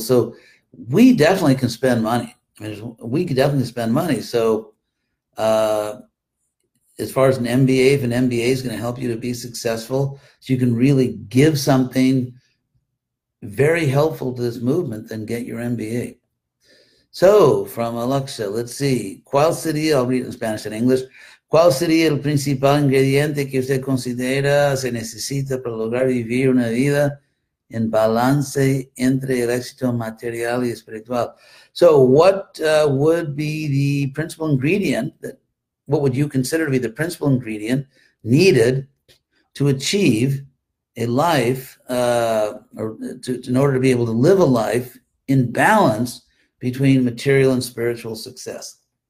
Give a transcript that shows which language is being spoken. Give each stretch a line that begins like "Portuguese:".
English: So we definitely can spend money. I mean, we could definitely spend money. So as far as an MBA, if an MBA is going to help you to be successful, so you can really give something very helpful to this movement, then get your MBA. So from Alexa, let's see.
Spanish: ¿Cuál sería?
English: I'll read it in Spanish and English.
Spanish: ¿Cuál sería el principal ingrediente que usted considera se necesita para lograr vivir una vida en balance entre el éxito material y espiritual?
English: So what would be the principal ingredient, that, what would you consider to be the principal ingredient needed to achieve a life, in order to be able to live a life in balance between material and spiritual success?